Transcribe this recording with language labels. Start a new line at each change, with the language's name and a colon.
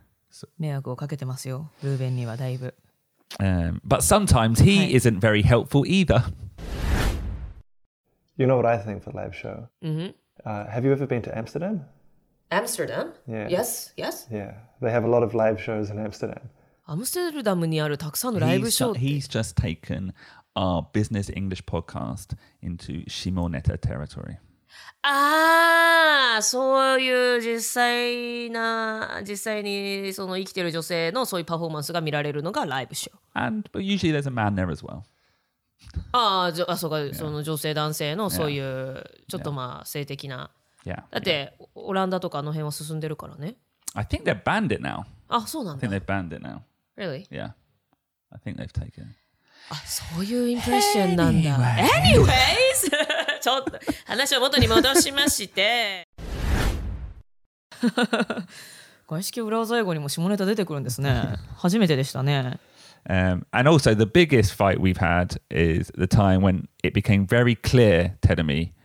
English: So,
Japanese: 迷惑をかけてますよ、ルーベンにはだいぶ。
English: But sometimes he、はい、isn't very helpful either. You know what I think for the live show? Mm-hmm. Have you ever been to Amsterdam? Amsterdam? Yeah. Yes. Yeah. They have a lot of live shows in Amsterdam.
Japanese: Amsterdam にあるたくさんのライブショー。
English: He's just taken our business English podcast into 下ネタ territory.
Japanese: ああ、そういう実際にその生きてる女性のそういうパフォーマンスが見られるのがライブショー。
English: And but usually there's a man there as well.
Japanese: ああ、そうか、yeah. その女性男性のそういうちょっとまあ性的な。
English: Yeah.
Japanese: だって、yeah. オランダとかあの辺は進んでるからね。
English: I think they've banned it now.
Japanese: あ、そうなんだ。
English: I think they've banned it now. Really? Yeah. I think they've taken it.
Japanese: あ、そういうインプレッションなんだ。
English: Anyway. Anyways!
Japanese: ちょっと話を元に戻しまして。外資系裏技英語にも下ネタ出てくるんですね。初めてでしたね。
English: And also the biggest fight we've had is the time when it became very clear, Tedemi,